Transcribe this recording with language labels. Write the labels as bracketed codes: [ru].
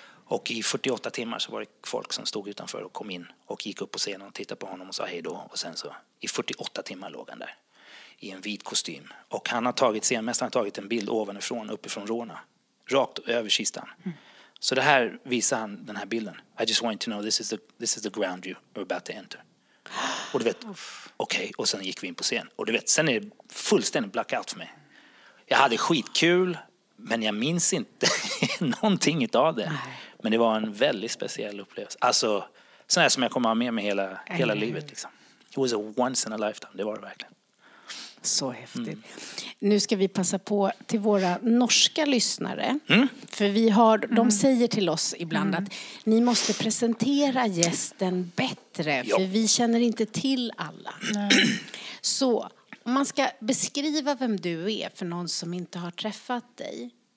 [sv] Och i 48 timmar så var det folk som stod utanför och kom in och gick upp på scenen och tittade på honom och sa hej då. Och sen så i 48 timmar låg han där i en vit kostym. Och han har tagit, scenmästaren har tagit en bild ovanifrån uppifrån Rona. Rakt över kistan. Mm. Så det här visar han, den här bilden. [en] I just want to know, this is the ground you are about to enter. [sv] Och du vet, okej. Okay. Och sen gick vi in på scen. Och du vet, sen är det fullständigt blackout för mig. Jag hade skitkul, men jag minns inte någonting av det. Nej. Men det var en väldigt speciell upplevelse. Alltså, sån här som jag kommer ha med mig hela livet. Liksom. [en] It was a once in a lifetime, [sv] det var det verkligen. Så häftigt. Mm. Nu ska vi passa på till våra norska lyssnare. Mm. För vi har, de säger till oss ibland att ni måste presentera gästen bättre. Jo. För vi känner inte till alla. Nej. Så, om man ska beskriva vem du är för någon som inte har träffat dig.